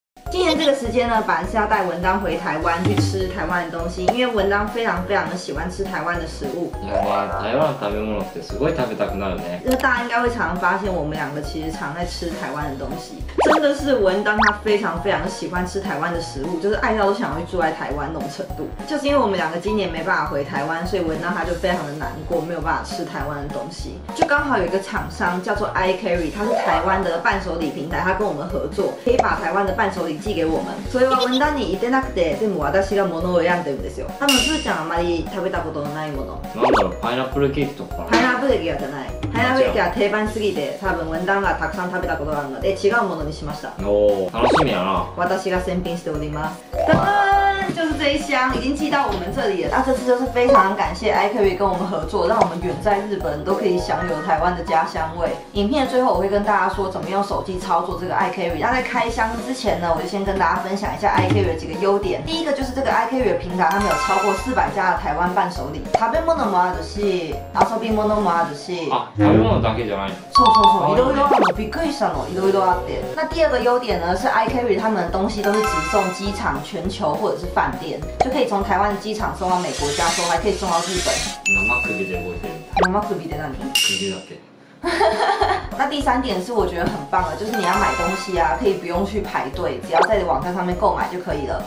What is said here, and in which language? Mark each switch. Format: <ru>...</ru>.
<zh>今天这个时间呢，本来是要带文章回台湾去吃台湾的东西，因为文章非常非常的喜欢吃台湾的食物。</zh> <ja>哇，</ja> <zh>台湾的</zh> <ja>食べ物ってすごい食べたくなるね。</ja> <zh>就是大家应该会常发现，我们两个其实常在吃台湾的东西。真的是文章他非常非常喜欢吃台湾的食物，就是爱到都想要去住在台湾那种程度。就是因为我们两个今年没办法回台湾，所以文章他就非常的难过，没有办法吃台湾的东西。就刚好有一个厂商叫做 iCarry， 他是台湾的伴手礼平台，他跟我们合作，可以把台湾的伴手礼寄给我们。</zh> <ja>それは文章に言ってなくて、でも私が物を選んでるんですよ。多分スーちゃんあまり食べたことのないもの。なんだろう、パイナップルケーキとか。パイナップルケーキじゃない。パイナップルケーキは定番すぎて、多分文章がたくさん食べたことがあるので、違うものにしました。おお、楽しみやな。私が選品しております。</ja> <zh>噔噔，就是这一箱已经寄到我们这里了。那这次就是非常感谢 iCarry 跟我们合作，让我们远在日本都可以享有台湾的家乡味。影片的最后我会跟大家说怎么用手机操作这个 iCarry。那在开箱之前呢，我就先跟大家分享一下 iCarry 的几个优点。第一个就是这个 iCarry 平台，他们有超过400家的台湾伴手礼。</zh> <ja>食べ物もあるし、遊び物もあるし。啊，食べ物だけじゃない。そうそうそう。いろいろあるの。びっくりしたの。いろいろあって。</ja> <zh>那第二个优点呢，是 iCarry 他们的东西都是直送机场全。全球或者是饭店，就可以从台湾的机场送到美国家收，还可以送到日本。那第三点是我觉得很棒的，就是你要买东西啊，可以不用去排队，只要在网站上面购买就可以了。</zh>